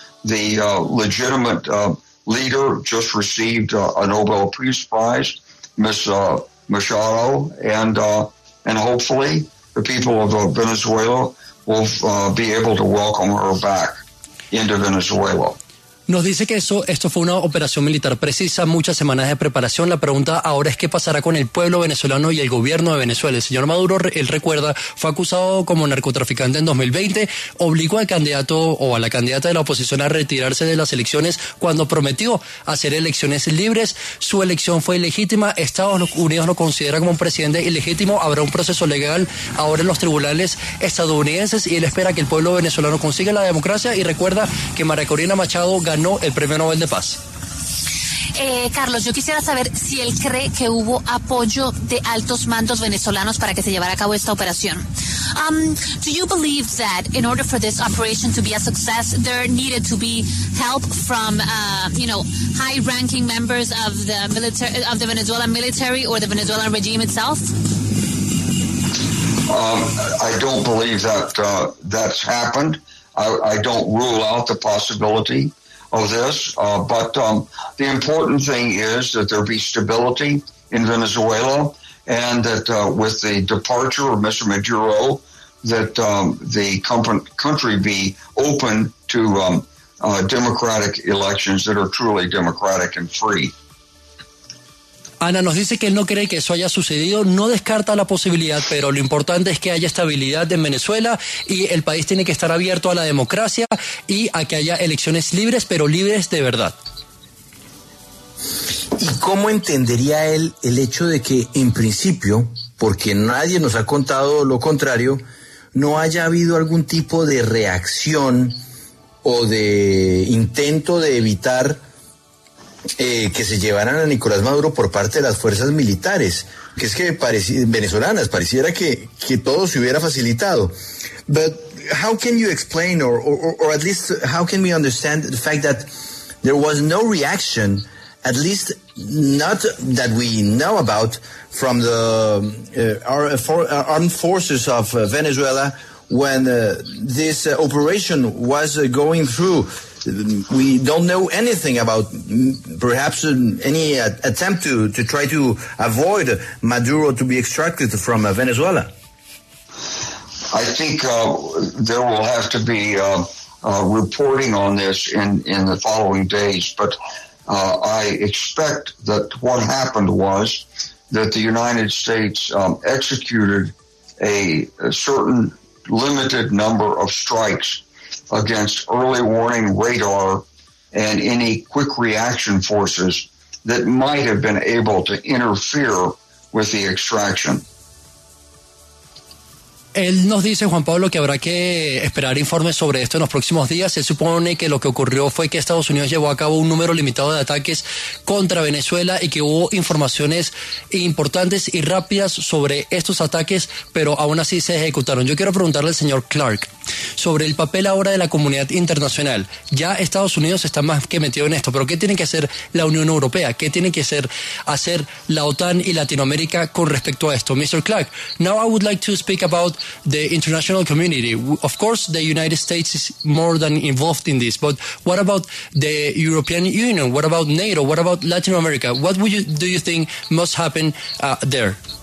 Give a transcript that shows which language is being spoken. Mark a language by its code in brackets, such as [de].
[en] The legitimate leader just received a Nobel Peace Prize, Ms. Machado, and hopefully the people of Venezuela will be able to welcome her back into Venezuela. [es] Nos dice que esto fue una operación militar precisa, muchas semanas de preparación. La pregunta ahora es qué pasará con el pueblo venezolano y el gobierno de Venezuela. El señor Maduro, él recuerda, fue acusado como narcotraficante en 2020, obligó al candidato o a la candidata de la oposición a retirarse de las elecciones cuando prometió hacer elecciones libres. Su elección fue ilegítima, Estados Unidos lo considera como un presidente ilegítimo, habrá un proceso legal ahora en los tribunales estadounidenses y él espera que el pueblo venezolano consiga la democracia y recuerda que María Corina Machado ganó el premio Nobel de Paz. Carlos, yo quisiera saber si él cree que hubo apoyo de altos mandos venezolanos para que se llevara a cabo esta operación. [en] Do you believe that in order for this operation to be a success, there needed to be help from, high-ranking members of the military, of the Venezuelan military or the Venezuelan regime itself? I don't believe that that's happened. I don't rule out the possibility of this, but the important thing is that there be stability in Venezuela, and that with the departure of Mr. Maduro, that the country be open to democratic elections that are truly democratic and free. [es] Ana nos dice que él no cree que eso haya sucedido, no descarta la posibilidad, pero lo importante es que haya estabilidad en Venezuela y el país tiene que estar abierto a la democracia y a que haya elecciones libres, pero libres de verdad. ¿Y cómo entendería él el hecho de que, en principio, porque nadie nos ha contado lo contrario, no haya habido algún tipo de reacción o de intento de evitar que se llevaran a Nicolás Maduro por parte de las fuerzas militares, que es que venezolanas, pareciera que todo se hubiera facilitado. [en] But how can you explain or at least how can we understand the fact that there was no reaction, at least not that we know about, from the armed forces of Venezuela when this operation was going through? We don't know anything about perhaps any attempt to try to avoid Maduro to be extracted from Venezuela. I think there will have to be reporting on this in the following days, but I expect that what happened was that the United States executed a certain limited number of strikes against early warning radar and any quick reaction forces that might have been able to interfere with the extraction. [es] Él nos dice, Juan Pablo, que habrá que esperar informes sobre esto en los próximos días. Él supone que lo que ocurrió fue que Estados Unidos llevó a cabo un número limitado de ataques contra Venezuela y que hubo informaciones importantes y rápidas sobre estos ataques, pero aún así se ejecutaron. Yo quiero preguntarle al señor Clark sobre el papel ahora de la comunidad internacional. Ya Estados Unidos está más que metido en esto, pero ¿qué tiene que hacer la Unión Europea? ¿Qué tiene que hacer la OTAN y Latinoamérica con respecto a esto? [en] Mr. Clark, now I would like to speak about the international community. Of course, the United States is more than involved in this, but what about the European Union? What about NATO? What about Latin America? What would you, do you think must happen there?